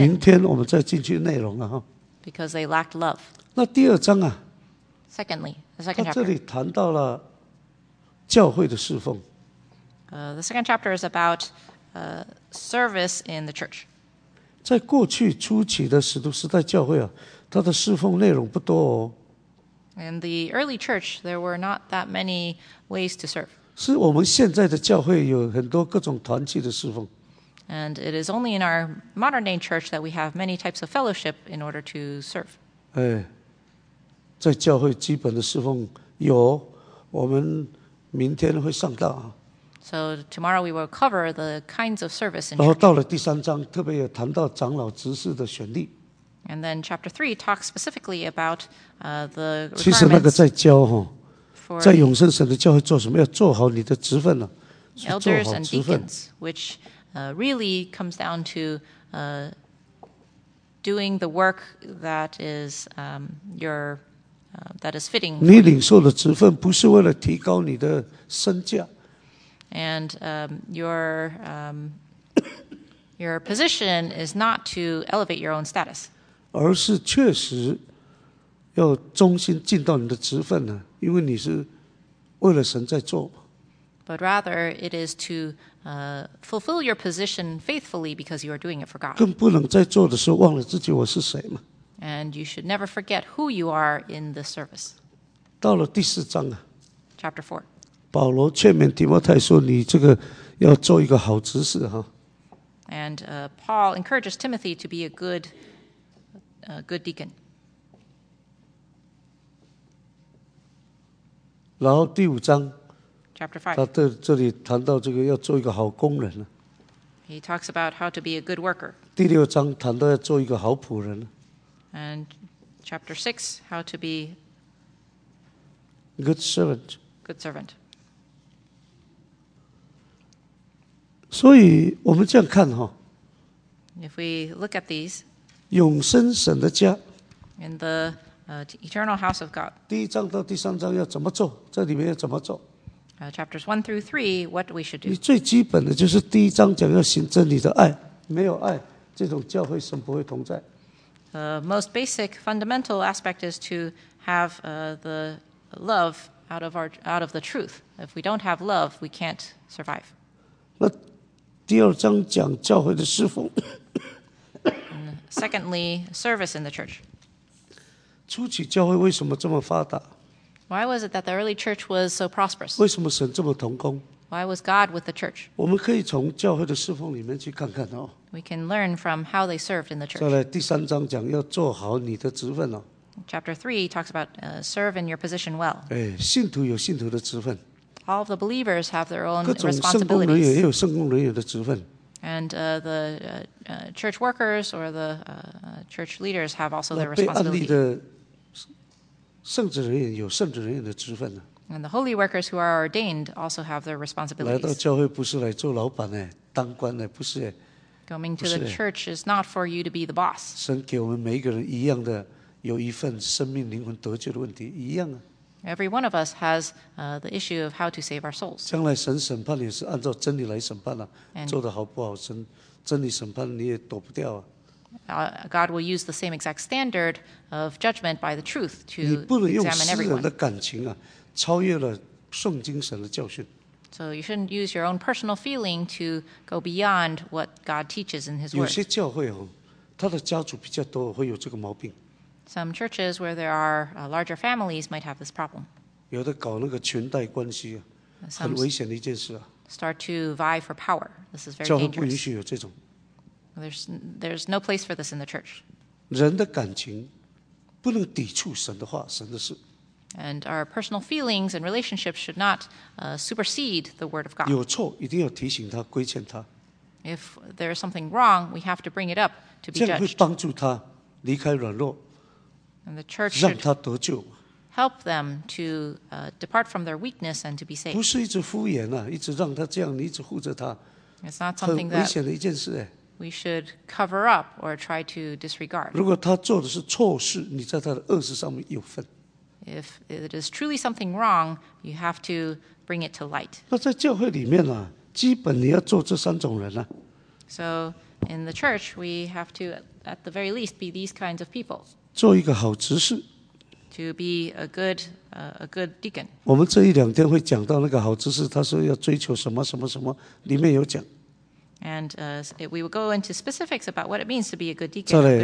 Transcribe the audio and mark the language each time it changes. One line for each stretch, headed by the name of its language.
Chinese: 明天我们再进去内容啊。
English: Because they lacked love.
Chinese: 那第二章啊。
English: Secondly, the second chapter.
Chinese: 他这里谈到了教会的侍奉。
English: The second chapter is about service in the church.
Chinese: 在过去初期的使徒时代教会啊，它的侍奉内容不多哦。
English: In the early church, there were not that many ways to serve.
Chinese: 是我们现在的教会有很多各种团契的侍奉。
English: And it is only in our modern day church that we have many types of fellowship in order to serve.
Chinese: 哎，在教会基本的侍奉有，我们明天会上到啊。
English: So tomorrow we will cover the kinds of service in church.
Chinese: 然后到了第三章，特别也谈到长老执事的选立。
English: And then chapter 3 talks specifically about the requirements.
Chinese: 其实那个在教哈，在永生神的教会做什么？要做好你的职分呢、啊？是做好职分。
English: Elders and deacons, which really comes down to doing the work that is your that is fitting.
Chinese: 你领受的职分不是为了提高你的身价。
English: And your position is not to elevate your own status.
Chinese: 而是确实要忠心尽到你的职分呢、啊，因为你是为了神在做。
English: But rather, it is to fulfill your position faithfully because you are doing it for God.
Chinese: 更不能在做的时候忘了自己我是谁嘛。
English: And you should never forget who you are in the service.
Chinese: 到了第四章啊。
English: Chapter 4.
Chinese: 保罗劝勉提摩太说：“你这个要做一个好执事哈。”
English: And Paul encourages Timothy to be a good deacon.
Chinese: 然后第五章
English: ，Chapter 5，
Chinese: 他这里谈到这个要做一个好工人。
English: He talks about how to be a good worker.
Chinese: 第六章谈到要做一个好仆人。
English: And Chapter 6， how to be good servant. Good servant.
Chinese: 所以我们这样看哈。
English: If we look at these.
Chinese: 永生神的家
English: in the eternal house of God.
Chinese: 第一章到第三章要怎么做？这里面要怎么做？
English: Chapters 1 through 3, what we should do?
Chinese: 你最基本的就是第一章讲要行真理的爱，没有爱，这种教会神不会同在。
English: The most basic fundamental aspect is to have the love out of the truth. If we don't have love, we can't survive.
Chinese: 那第二章讲教会的侍奉。
English: Secondly, service in the church.
Chinese: 初期教会为什么这么发达？
English: Why was it that the early church was so prosperous?
Chinese: 为什么神这么同工？
English: Why was God with the church?
Chinese: 我们可以从教会的侍奉里面去看看哦。
English: We can learn from how they served in the church.
Chinese: 再来第三章讲要做好你的职分哦。
English: Chapter 3 talks about serve in your position well.
Chinese: 哎，信徒有信徒的职分。
English: All of the believers have their own
Chinese: 各种圣工人员也有圣工人员的职分。
English: And the church workers or the church leaders have also their responsibility.
Chinese: 被安立的圣职人员有圣职人员的职分呢。
English: And the holy workers who are ordained also have their responsibilities.
Chinese: 来到教会不是来做老板呢，当官呢，不是。
English: Coming to the church is not for you to be the boss.
Chinese: 神给我们每一个人一样的，有一份生命灵魂得救的问题一样啊。
English: Every one of us has the issue of how to save our souls.
Chinese: 将来神审判也是按照真理来审判了，做得好不好，神真理审判你也躲不掉啊。
English: God will use the same exact standard of judgment by the truth to examine everyone.
Chinese: 你不能用私人的感情啊，超越了圣经神的教训。
English: So you shouldn't use your own personal feeling to go beyond what God teaches in His word.
Chinese: 有些教会哦，他的家族比较多，会有这个毛病。
English: Some churches where there are larger families might have this problem.
Chinese: 有的搞那个裙带关系啊，很危险的一件事啊。
English: Start to vie for power. This is very dangerous.
Chinese: 教会不允许有这种。
English: There's no place for this in the church.
Chinese: 人的感情不能抵触神的话，神的事。
English: And our personal feelings and relationships should not supersede the word of God.
Chinese: 有错一定要提醒他，规劝他。
English: If there is something wrong, we have to bring it up to be judged.
Chinese: 这样会帮助他离开软弱。
English: And the church should help them to depart from their weakness and to be saved.
Chinese: 不是一直敷衍啊，一直让他这样，你一直护着他。
English: It's not something that
Chinese: 很危险的一件事哎。
English: We should cover up or try to disregard.
Chinese: 如果他做的是错事，你在他的恶事上面有份。
English: If it is truly something wrong, you have to bring it to light.
Chinese: 那在教会里面呢、啊，基本你要做这三种人呢、啊。
English: So in the church, we have to, at the very least, be these kinds of people.
Chinese: 做一个好执事
English: ，to be a good deacon。
Chinese: 我们这一两天会讲到那个好执事，他说要追求什么什么什么，里面有讲。
English: And we will go into specifics about what it means to be a good deacon, a